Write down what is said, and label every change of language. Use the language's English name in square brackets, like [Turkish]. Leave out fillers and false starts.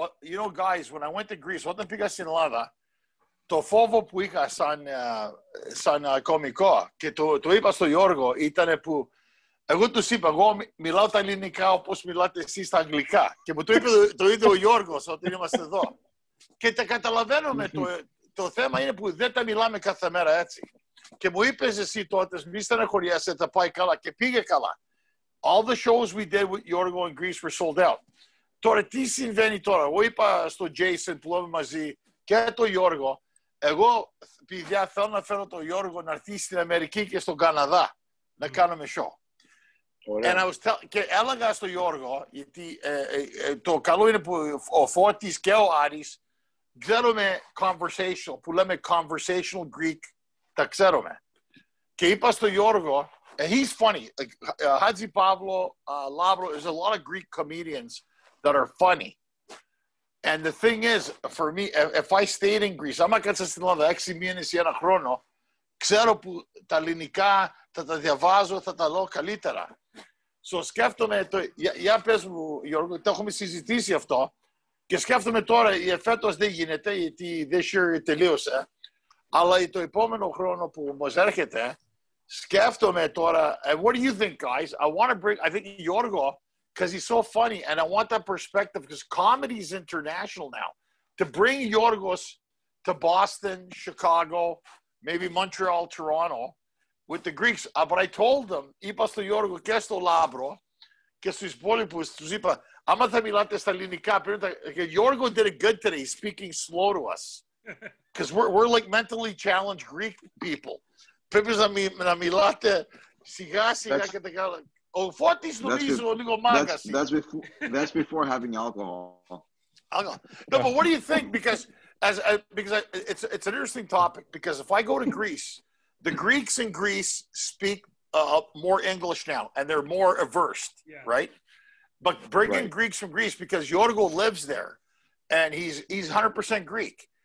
[English] You know, guys, when I went to Greece, [Greek] όταν πήγα στην Ελλάδα, το φόβο που είχα σαν κωμικό, και το είπα στον Γιώργο, ήταν που εγώ τους είπα, εγώ μιλάω τα ελληνικά όπως μιλάτε εσείς στα αγγλικά. Και μου το είπε το ίδιο ο Γιώργος όταν είμαστε εδώ. Και τα καταλαβαίνουμε, το θέμα είναι που δεν τα μιλάμε κάθε μέρα έτσι. Και μου είπες εσύ τότε, μη στεναχωριέσαι, θα πάει καλά. Και πήγε καλά. [English] All the shows we did with Γιώργο in Greece were sold out. [Greek] Τώρα, τι συμβαίνει τώρα? Εγώ είπα στον Jason που λέμε μαζί και τον Γιώργο. Εγώ, παιδιά, θέλω να φέρω τον Γιώργο να έρθει στην Αμερική και στον Καναδά να κάνουμε show. Ωραία. Και έλεγα στον Γιώργο, γιατί το καλό είναι που ο Φώτης και ο Άρης ξέρουμε conversational, που λέμε conversational Greek, τα ξέρουμε. Και είπα στον Γιώργο, [English] he's funny, Xatzipavlou, Labro, there's a lot of Greek comedians that are funny. And the thing is, for me, if I stayed in Greece, [Greek] άμα κάτσα στην Ελλάδα 6 μήνες ή ένα χρόνο, ξέρω που τα ελληνικά θα τα διαβάζω, θα τα λέω καλύτερα. So σκέφτομαι, για πες μου, Γιώργο, το έχουμε συζητήσει αυτό, και σκέφτομαι τώρα, φέτος δεν γίνεται, γιατί [English] this year [Greek] τελείωσε, αλλά το επόμενο χρόνο που μας έρχεται, σκέφτομαι τώρα, [English] what do you think, guys? I think Γιώργο, because he's so funny, and I want that perspective, because comedy is international now. To bring Giorgos to Boston, Chicago, maybe Montreal, Toronto, with the Greeks. But I told them, [Greek] είπα στον Γιώργο και στο Λάμπρο και στους υπόλοιπους, τους είπα, άμα θα μιλάτε στα ελληνικά, Γιώργο [English] did it good today, speaking slow to us. Because we're like mentally challenged Greek people. [Greek] Πρέπει να μιλάτε σιγά σιγά και τα καλά. Ο Φώτης νομίζω λίγο μάγκαση. [English] That's before having alcohol. No, but what do you think? Because it's an interesting topic. Because if I go to Greece, the Greeks in Greece speak more English now, and they're more averse, right? But bringing Greeks from Greece, because Yorgo lives there, and he's 100% Greek.